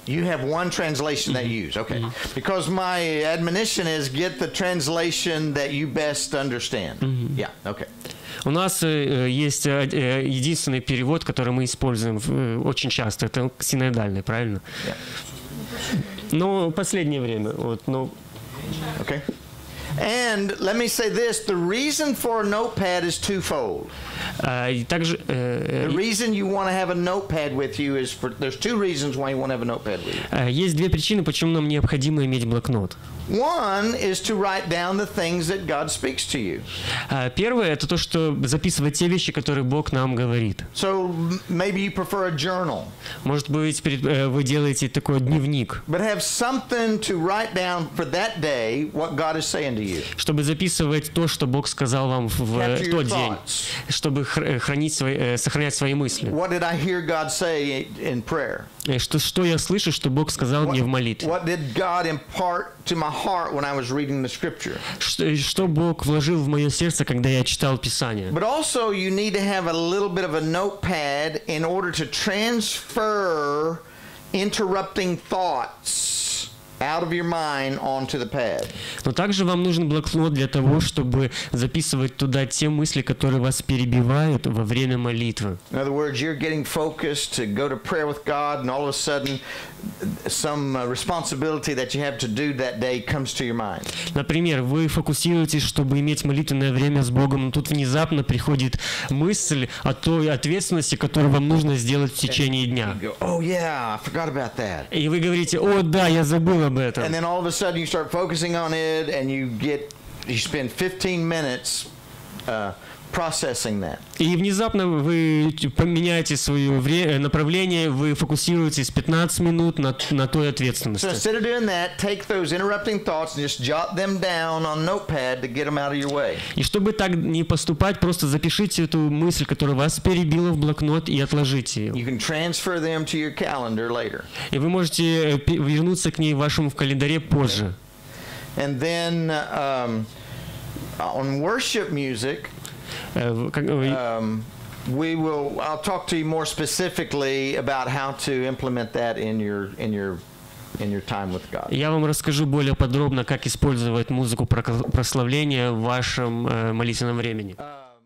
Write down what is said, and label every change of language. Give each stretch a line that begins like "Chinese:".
English: You have one translation that you use, okay. Mm-hmm. Because my admonition is get the translation that you best understand. Mm-hmm. Yeah, okay.
Russian: У нас есть единственный перевод, который мы используем очень часто. Это синодальный, правильно?
English: Yeah.
Russian: Но в последнее время, вот, но...
English: Okay. And let me say this, the reason for a notepad is twofold. The reason you want to have a notepad with you is for there's two reasons why you want to have a notepad with you.
Russian: Есть две причины, почему нам необходимо иметь блокнот.
English: One is to write down the things that God speaks to you.
Russian: Первое это то, что записывать те вещи, которые Бог нам говорит.
English: So maybe you prefer a journal.
Russian: Может быть, вы делаете такой дневник.
English: But have something to write down for that day what God is saying to you.
Russian: Чтобы записывать то, что Бог сказал вам в тот день, чтобы хранить сохранять свои мысли.
English: What did I hear God say in prayer?
Russian: Что я слышу, что Бог сказал мне в молитве?
English: What did God impart to my heart when I was reading the scripture?
Russian: Что Бог вложил в мое сердце, когда я читал Писание?
English: But also you need to have a little bit of a notepad in order to transfer interrupting thoughts out of your mind onto the pad.
Russian: Но также вам нужен блокнот для того, чтобы записывать туда те мысли, которые вас перебивают во время молитвы.
English: In other words, you're getting focused to go to prayer with God, and all of a sudden, some responsibility that you have to do that day comes to your mind.
Russian: Например, вы фокусируетесь, чтобы иметь молитвенное время с Богом, но тут внезапно приходит мысль о той ответственности, которую вам нужно сделать в течение дня.
English: Oh yeah, I forgot about that.
Russian: И вы говорите: «О, да, я забыл».
English: And then all of a sudden you start focusing on it and you spend 15 minutes processing that.
Russian: И внезапно вы поменяете свое направление, вы фокусируетесь 15 минут на той ответственности.
English: So instead of doing that, take those interrupting thoughts and just jot them down on notepad to get them out of your way.
Russian: И чтобы так не поступать, просто запишите эту мысль, которая вас перебила в блокнот, и отложите ее.
English: You can transfer them to your calendar later.
Russian: И вы можете вернуться к ней в вашем календаре позже.
English: And then on worship music, I'll talk to you more specifically about how to implement that in your in your time with God.
Russian: Я вам расскажу более подробно, как использовать музыку прославления в вашем молитвенном времени.